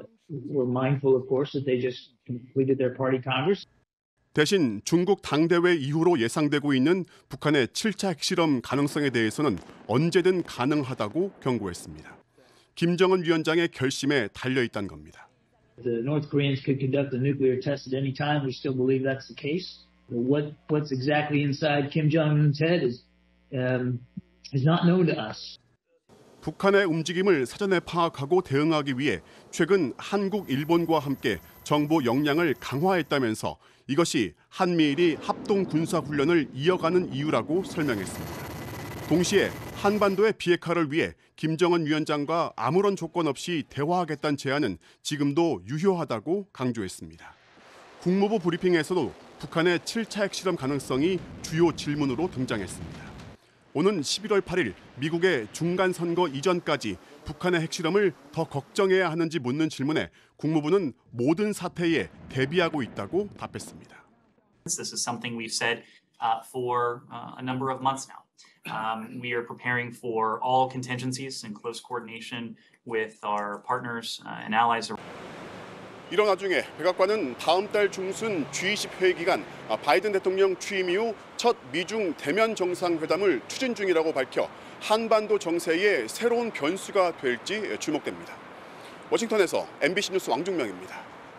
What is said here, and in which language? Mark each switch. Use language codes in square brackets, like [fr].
[en] We're mindful, of course, that they just completed their party congress. [ko] 대신 중국 당대회 이후로 예상되고 있는 북한의 7차 핵실험 가능성에 대해서는 언제든 가능하다고 경고했습니다. 김정은 위원장의 결심에 달려 있다는 겁니다. [en] The North Koreans could conduct a nuclear test at any time. We still believe that's the case. What's exactly inside Kim Jong-un's head is not known to us. [ko] 북한의 움직임을 사전에 파악하고 대응하기 위해 최근 한국, 일본과 함께 정보 역량을 강화했다면서 이것이 한미일이 합동 군사 훈련을 이어가는 이유라고 설명했습니다. 동시에 한반도의 비핵화를 위해 김정은 위원장과 아무런 조건 없이 대화하겠다는 제안은 지금도 유효하다고 강조했습니다. 국무부 브리핑에서도 북한의 7차 핵실험 가능성이 주요 질문으로 등장했습니다. 오는 11월 8일 미국의 중간선거 이전까지 북한의 핵실험을 더 걱정해야 하는지 묻는 질문에 국무부는 모든 사태에 대비하고 있다고 답했습니다. [en] This is something we've said for a number of months now. We are preparing for all contingencies in close coordination with our partners and allies. [ko] 이런 와중에 백악관은 다음 달 중순 G20 회의 기간 바이든 대통령 취임 이후 첫 미중 대면 정상회담을 추진 중이라고 밝혀 한반도 정세에 새로운 변수가 될지 주목됩니다. 워싱턴에서 MBC 뉴스 왕중명입니다.